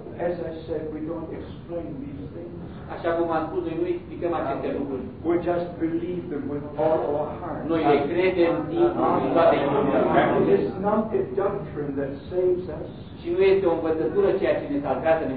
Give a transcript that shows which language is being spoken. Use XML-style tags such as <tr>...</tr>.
<en>As I said, we don't explain these things.</en> <ro>Așa cum am spus, noi nu explicăm aceste lucruri.</ro> <en>We just believe them with all our hearts.</en> <ro>Noi le credem din toată inima.</ro> <en>It is not a doctrine that saves us.</en> <ro>Și nu este o învățătură ceea ce ne salvează, ne</ro>